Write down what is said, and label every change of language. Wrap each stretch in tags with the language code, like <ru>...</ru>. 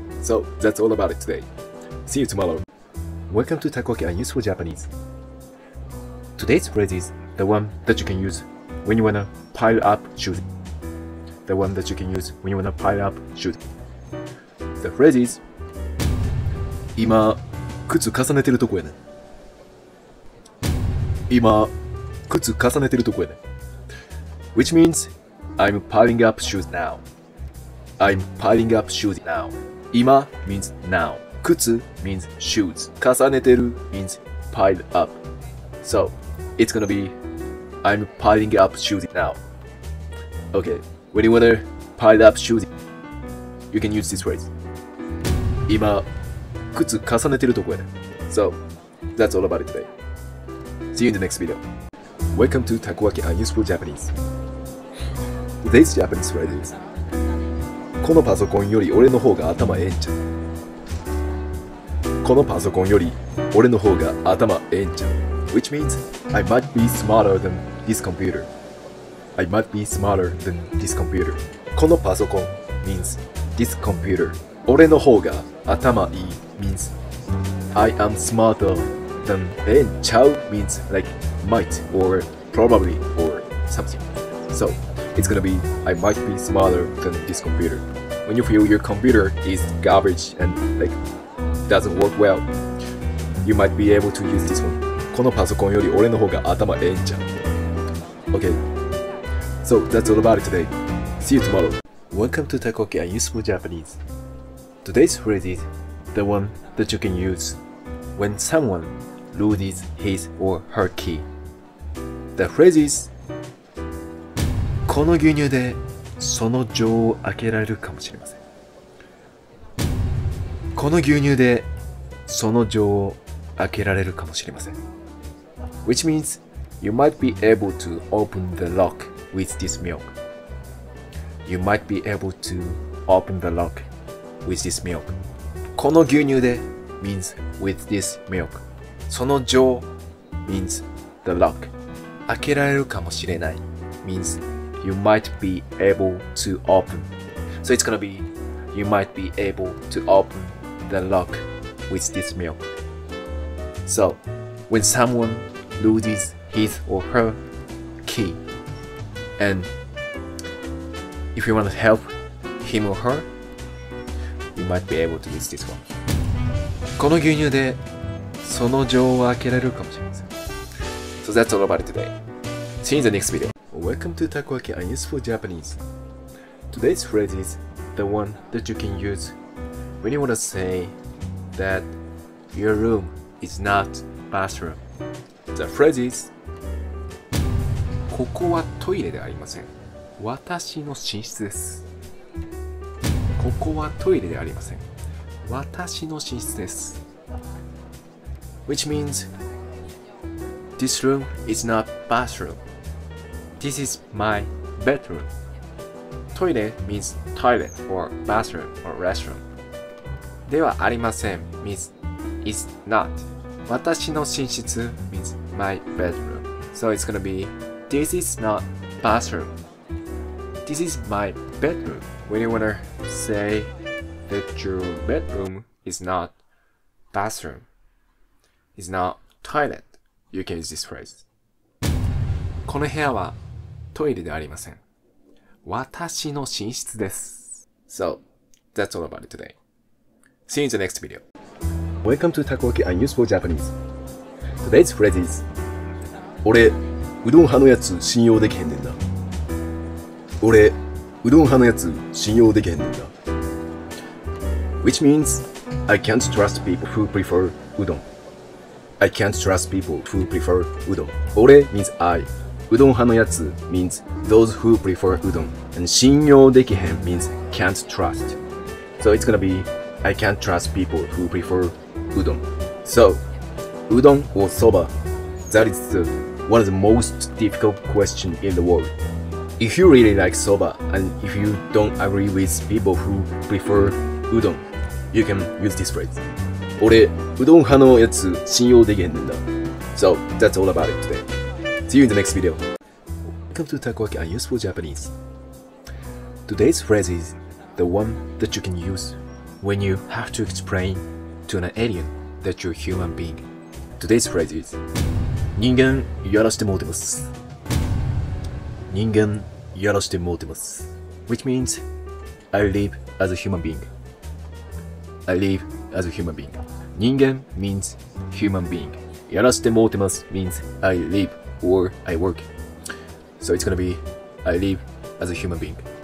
<en>So that's all about it today. See you tomorrow. Welcome to Takoyaki and Useful Japanese. Today's phrase is the one that you can use when you want to pile up shooting. The one that you can use when you want to pile up shooting. The phrase is</en> <ja>今靴重ねてるとこやね。今靴重ねてるとこやね。</ja> <en>Which means, I'm piling up shoes now. I'm piling up shoes now. 今 means now. 靴 means shoes. 重ねてる means pile up. So, it's gonna be, I'm piling up shoes now. Okay, when you wanna pile up shoes, you can use this phrase.</en> <ja>今靴重ねてるとこやね。</ja> <en>So, that's all about it today. See you in the next video. Welcome to Takoyaki and Useful Japanese. Today's Japanese phrase is</en> <ja>このパソコンより俺の方が頭ええんちゃう。このパソコンより俺の方が頭ええんちゃう。</ja> <en>Which means I might be smarter than this computer. I might be smarter than this computer. このパソコン means this computer.</en> <ja>俺の方が頭いい</ja> <en>means I am smarter than ええんちゃう means likeMight or probably or something. So it's gonna be I might be smarter than this computer. When you feel your computer is garbage and like doesn't work well, you might be able to use this one.</en> <ja>このパソコンより俺の方が頭ええんじゃん。</ja> <en>Okay. So that's all about it today. See you tomorrow. Welcome to Takoyaki and Useful Japanese. Today's phrase is the one that you can use when someone loses his or her key. The phrase is</en> <ja>この牛乳でその錠を開けられるかもしれませんこの牛乳でその錠を開けられるかもしれません</ja> <en>Which means You might be able to open the lock with this milk. You might be able to open the lock with this milk.</en> <ja>この牛乳で means</ja> <en>with this milk.</en> <ja>その錠</ja> <en>means the lock.</en> <ja>開けられるかもしれない</ja> <en>means you might be able to open. So it's gonna be you might be able to open the lock with this milk. So when someone loses his or her key and if you want to help him or her, you might be able to use this one. この牛乳でその錠を開けられるかもしれません。 So that's all about it today. See you in the next video. Welcome to Takoyaki and Useful Japanese. Today's phrase is the one that you can use when you want to say that your room is not bathroom. The phrase is</en> <ja>ここはトイレではありません。私の寝室です。ここはトイレではありません。私の寝室です。</ja> <en>Which means this room is not bathroom. This is my bedroom. トイレ means toilet or bathroom or restroom.</en> <ja>ではありません means</ja> <en>is not.</en> <ja>私の寝室</ja> <en>means my bedroom. So it's gonna be this is not bathroom. This is my bedroom. When you wanna say that your bedroom is not bathroom. Is not toilet. You can use this phrase.</en> <ja>この部屋はトイレではありません。私の寝室です。</ja> <en>So, that's all about it today. See you in the next video. Welcome to Takoyaki and Useful Japanese. Today's phrase is</en> <ja>俺、うどん派のやつ信用できへんねんな。俺、うどん派のやつ信用できへんねんな。</ja> <en>Which means, I can't trust people who prefer うどん。 I can't trust people who prefer udon. 俺 means I. うどん派のやつ means those who prefer udon. And 信用できへん means can't trust. So it's gonna be I can't trust people who prefer udon. So, udon or soba, that is one of the most difficult questions in the world. If you really like soba and if you don't agree with people who prefer udon, you can use this phrase.</en> <ja>俺、うどん派のやつ信用できへんねんだ。</ja> <en>So, that's all about it today. See you in the next video. Welcome to Takoyaki and Useful Japanese. Today's phrase is the one that you can use when you have to explain to an alien that you're a human being. Today's phrase is</en> <ja>人間やらしてもうてます。人間やらしてもうてます。</ja> <en>Which means, I live as a human being. I live as a human being. 人間 means human being. やらしてもうてます means I live or I work. So it's gonna be I live as a human being.</en>